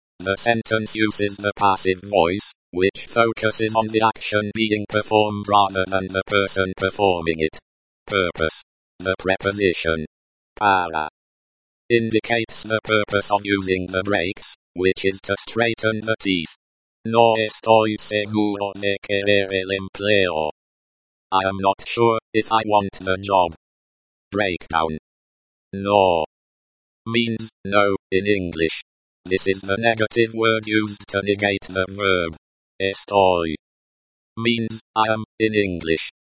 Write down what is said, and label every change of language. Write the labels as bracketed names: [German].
[English] The sentence uses the passive voice, which focuses on the action being performed rather than the person performing it. Purpose. The preposition para indicates the purpose of using the brakes, which is to straighten the teeth. [Spanish] No estoy seguro de querer el empleo. [English] I am not sure if I want the job. Breakdown. No. Means, no, in English. This is the negative word used to negate the verb. Estoy. Means, I am, in English.